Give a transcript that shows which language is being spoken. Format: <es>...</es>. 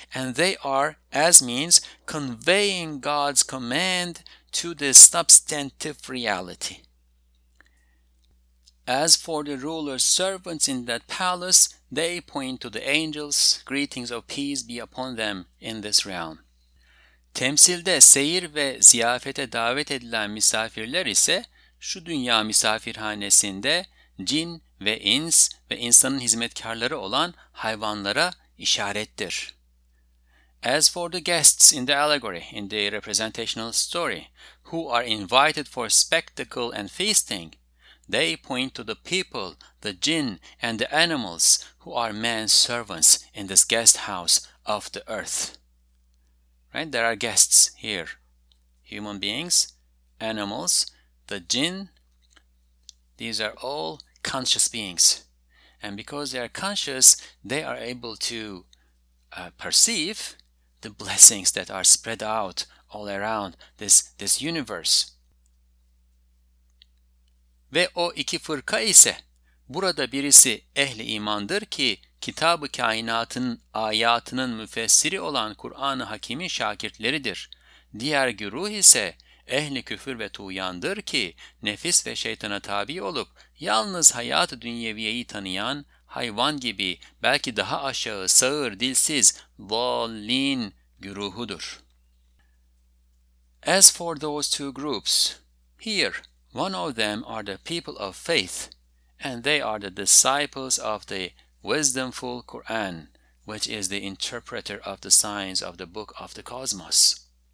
<en>And they are, as means, conveying God's command to the substantive reality. As for the ruler's servants in that palace, they point to the angels, greetings of peace be upon them in this realm.</en> <tr>Temsilde seyir ve ziyafete davet edilen misafirler ise şu dünya misafirhanesinde cin ve ins ve insanın hizmetkarları olan hayvanlara işarettir.</tr> <en>As for the guests in the allegory, in the representational story, who are invited for spectacle and feasting, they point to the people, the jinn, and the animals who are man's servants in this guest house of the earth. Right? There are guests here, human beings, animals, the jinn. These are all conscious beings. And because they are conscious, they are able to perceive the blessings that are spread out all around this universe.</en> <tr>Ve o iki fırka ise burada birisi ehli imandır ki Kitab-ı Kainat'ın ayatının müfessiri olan Kur'an-ı Hakim'in şakirtleridir. Diğer güruh ise ehli küfür ve tuğyandır ki nefis ve şeytana tabi olup yalnız hayat-ı dünyeviyeyi tanıyan hayvan gibi belki daha aşağı sağır, dilsiz, dallin güruhudur.</tr> <en>As for those two groups, here one of them are the people of faith, and they are the disciples of the wisdomful Quran, which is the interpreter of the signs of the book of the cosmos.</en>